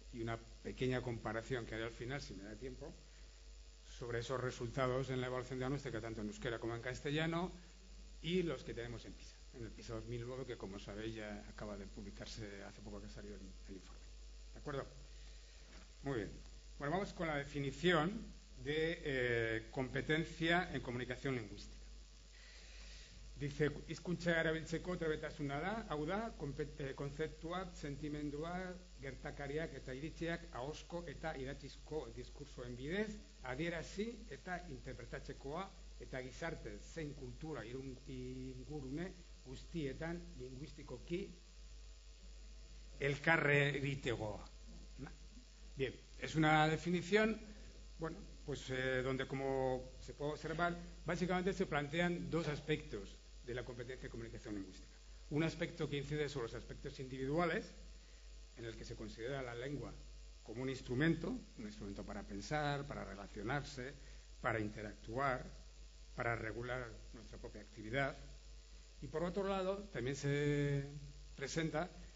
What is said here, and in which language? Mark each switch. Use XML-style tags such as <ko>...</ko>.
<es>Y una pequeña comparación que haré al final, si me da tiempo, sobre esos resultados en la evaluación diagnóstica, tanto en euskera como en castellano, y los que tenemos en PISA, en el PISA 2009, que como sabéis ya acaba de publicarse hace poco que salió el informe. ¿De acuerdo? Muy bien. Bueno, vamos con la definición de competencia en comunicación lingüística.</es> <eu>Dice, hizkuntza erabiltzeko trebetasuna da, hau da, konzeptuak, sentimenduak, gertakariak eta iritziak ahozko eta idatzizko diskursoen bidez, adierazi eta interpretatzekoa eta gizarte zein kultura ingurune guztietan linguistikoki elkarre egitegoa.</eu> <es>Bien, es una definición, donde como se puede observar, básicamente se plantean dos aspectos de la competencia de comunicación lingüística. Un aspecto que incide sobre los aspectos individuales, en el que se considera la lengua como un instrumento para pensar, para relacionarse, para interactuar, para regular nuestra propia actividad. Y por otro lado, también se presenta</es>